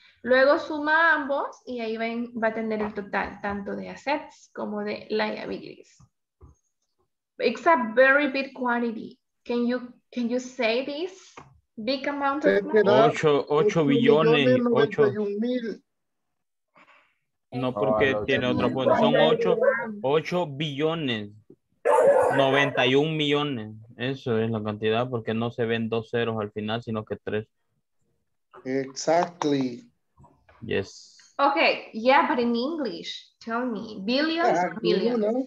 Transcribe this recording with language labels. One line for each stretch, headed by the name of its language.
Spanish: Luego suma ambos, y ahí va a tener el total, tanto de assets como de liabilities.
English: It's a very big quantity. Can you say this big amount of money?
Spanish: 8 billones. 8 billones. No, porque tiene otro punto. Son 8 billones. 91 millones. Eso es la cantidad, porque no se ven dos ceros al final, sino que tres.
English: Exactly. Yes. Okay, yeah, but in English, tell me, billions, billions.